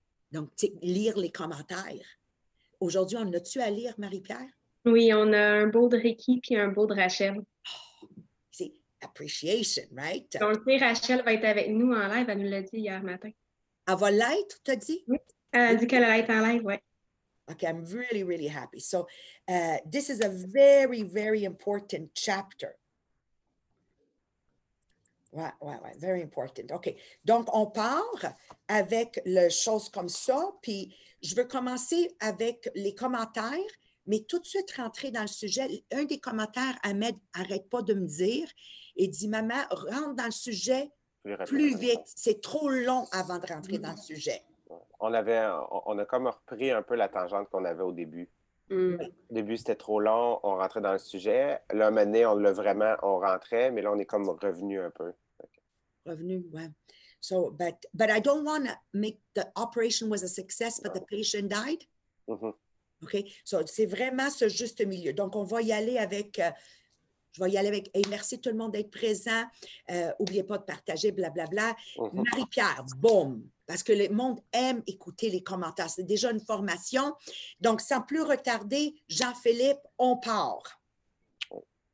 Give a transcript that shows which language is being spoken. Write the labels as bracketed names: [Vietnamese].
[French] Donc, tu sais, lire les commentaires. Aujourd'hui, on a-tu à lire, Marie-Pierre? Oui, on a un beau de Ricky puis un beau de Rachel. Oh, c'est appreciation, right? Donc, si Rachel va être avec nous en live, elle nous l'a dit hier matin. Elle va l'être, t'as dit? Oui, elle a dit qu'elle allait être en live, oui. [English] OK, I'm really, really happy. So, this is a very, very important chapter. [French] Ouais, [English] very important. OK. [French] Donc, on part avec les choses comme ça, puis je veux commencer avec les commentaires, mais tout de suite rentrer dans le sujet. Un des commentaires, Ahmed, arrête pas de me dire, et dit, « Maman, rentre dans le sujet plus vite. C'est trop long avant de rentrer dans le sujet. » On a comme repris un peu la tangente qu'on avait au début. Au début, c'était trop long, on rentrait dans le sujet. Là, maintenant, on rentrait, mais là, on est comme revenu un peu. Okay. Revenu, ouais. [English] So, but I don't want to make the operation was a success, but no. The patient died. [French] Mm-hmm. OK, so c'est vraiment ce juste milieu. Donc, on va y aller avec, et merci tout le monde d'être présent. N'oubliez pas de partager, blablabla. Bla, bla. Mm-hmm. Marie-Pierre, boum! Parce que le monde aime écouter les commentaires. C'est déjà une formation. Donc, sans plus retarder, Jean-Philippe, on part. OK?